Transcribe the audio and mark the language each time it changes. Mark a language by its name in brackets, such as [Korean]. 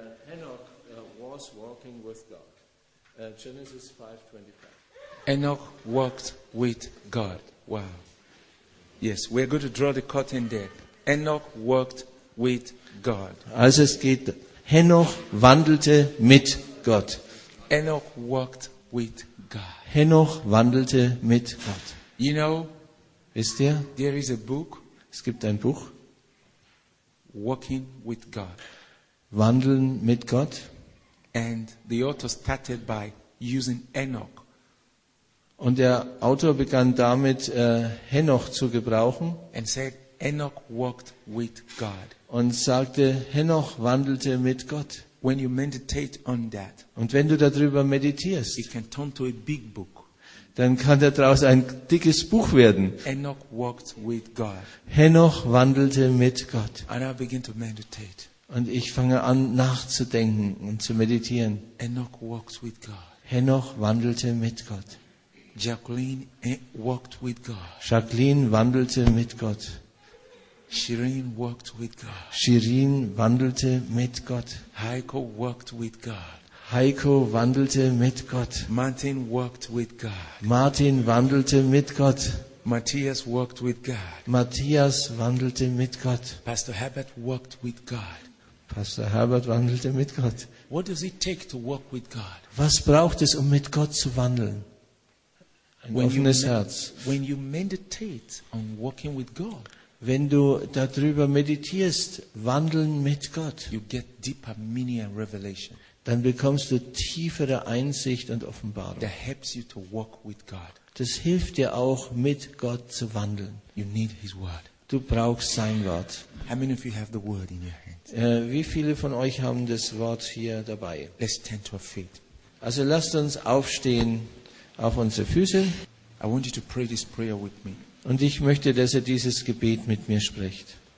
[English] Henoch was walking with God. Genesis 5:25. Henoch walked with God. Wow. Yes, we're going to draw the curtain there. Henoch walked with God. [German] Also es geht, Henoch wandelte mit Gott. [English] Henoch walked with God. [German] Henoch wandelte mit Gott. [English] You know, [German] wisst ihr, [English] there is a book. [German] Es gibt ein Buch. [English] Walking with God. [German] Wandeln mit Gott. [English] And the author started by using Henoch. [German] Und der Autor begann damit, Henoch zu gebrauchen. [English] And said, Henoch walked with God. [German] Und sagte, Henoch wandelte mit Gott. [English] When you meditate on that, [German] und wenn du darüber meditierst, [English] it can turn to a big book. [German] Dann kann daraus ein dickes Buch werden. [English] Henoch walked with God. [German] Henoch wandelte mit Gott. [English] And I begin to meditate. [German] Und ich fange an, nachzudenken und zu meditieren. [English] Henoch walked with God. [German] Henoch wandelte mit Gott. [English] Jacqueline walked with God. [German] Jacqueline wandelte mit Gott. [English] Shireen walked with God. [German] Shireen wandelte mit Gott. [English] Heiko walked with God. [German] Heiko wandelte mit Gott. [English] Martin walked with God. [German] Martin wandelte mit Gott. [English] Matthias walked with God. [German] Matthias wandelte mit Gott. [English] Pastor Herbert walked with God. [German] Pastor Herbert wandelte mit Gott. [English] What does it take to walk with God? [German] Was braucht es, um mit Gott zu wandeln? Ein offenes Herz. [English] When you meditate on walking with God, [German] wenn du darüber meditierst, wandeln mit Gott, [English] you get deeper meaning and revelation. [German] Dann bekommst du tiefere Einsicht und Offenbarung. [English] That helps you to walk with God. [German] Das hilft dir auch, mit Gott zu wandeln. [English] You need His Word. [German] Du brauchst sein Wort. [English] How many of you have the Word in your hands? [German] Wie viele von euch haben das Wort hier dabei? [English] Let's stand to our feet. [German] Also lasst uns aufstehen. Auf unsere Füße. [English] I want you to pray this prayer with me. [German] Und ich möchte, dass er dieses Gebet mit mir spricht.